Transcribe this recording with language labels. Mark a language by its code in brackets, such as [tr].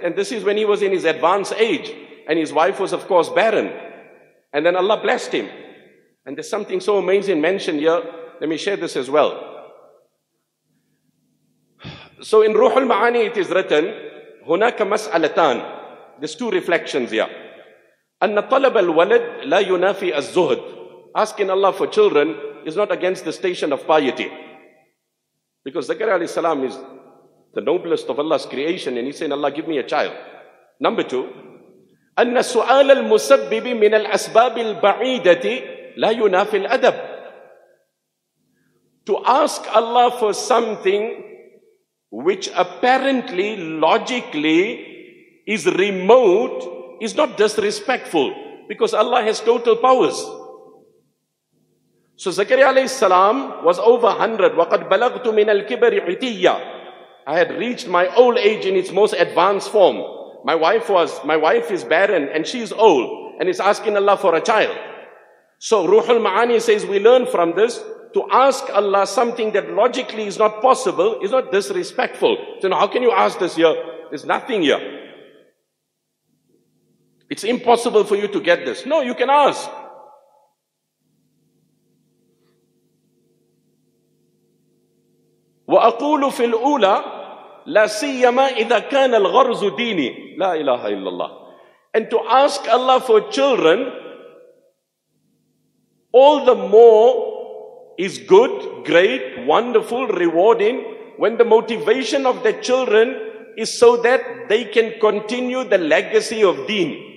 [en] And this is when he was in his advanced age. And his wife was of course barren. And then Allah blessed him. And there's something so amazing mentioned here. Let me share this as well. So in Ruhul Ma'ani it is written, [ar] هناك مسألتان. [en] There's 2 reflections here. [ar] أن طلب الولد لا ينافي الزهد. [en] Asking Allah for children is not against the station of piety. Because Zakaria alayhi salam is the noblest of Allah's creation and he's saying, Allah, give me a child. Number 2, [ar] أَنَّ سُؤَالَ الْمُسَبِّبِ مِنَ الْأَسْبَابِ الْبَعِيدَةِ لَا يُنَافِ الْأَدَبِ. [en] To ask Allah for something which apparently, logically is remote is not disrespectful because Allah has total powers. So Zakaria alayhi salam was over 100. [ar] وَقَدْ بَلَغْتُ مِنَ الْكِبَرِ عِتِيَّةِ. [en] I had reached my old age in its most advanced form. My wife is barren and she's old and is asking Allah for a child. So Ruhul Ma'ani says we learn from this to ask Allah something that logically is not possible is not disrespectful. So now how can you ask this here? There's nothing here. It's impossible for you to get this. No, you can ask. [ar] وأقول في الأولى لا سيما إذا كان الغرز ديني لا إله إلا الله. [en] And to ask Allah for children, all the more is good, great, wonderful, rewarding when the motivation of the children is so that they can continue the legacy of deen.